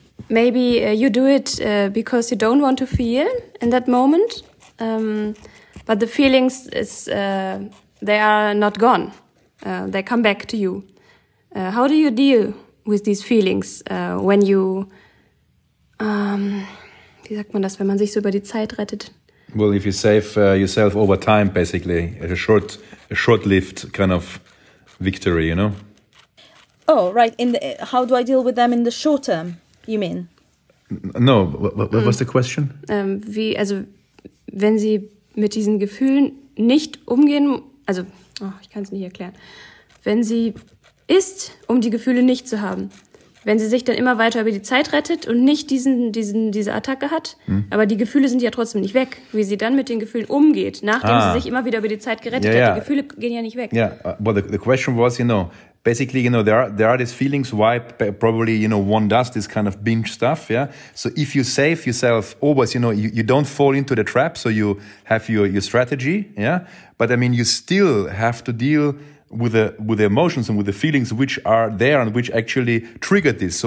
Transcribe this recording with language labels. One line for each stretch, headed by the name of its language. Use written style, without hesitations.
English: Maybe you do it because you don't want to feel in that moment, but the feelings they are not gone. They come back to you. How do you deal with these feelings when you?
German: Wie sagt man das, wenn man sich so über die Zeit rettet?
English: Well, if you save yourself over time, basically a short-lived kind of victory, you know. Oh right. How do I deal with them in the short term? You mean? No, what was the question?
German: Wenn Sie mit diesen Gefühlen nicht umgehen, also, oh, ich kann es nicht erklären. Wenn sie ist, um die Gefühle nicht zu haben, wenn sie sich dann immer weiter über die Zeit rettet und nicht diese Attacke hat, aber die Gefühle sind ja trotzdem nicht weg, wie sie dann mit den Gefühlen umgeht, nachdem sie sich immer wieder über die Zeit gerettet hat, die Gefühle gehen ja nicht weg.
English: Yeah, well, the question was, you know, basically, you know, there are these feelings why probably, you know, one does this kind of binge stuff, yeah? So if you save yourself always, you know, you don't fall into the trap, so you have your strategy, yeah? But, I mean, you still have to deal with the emotions and with the feelings which are there and which actually triggered this.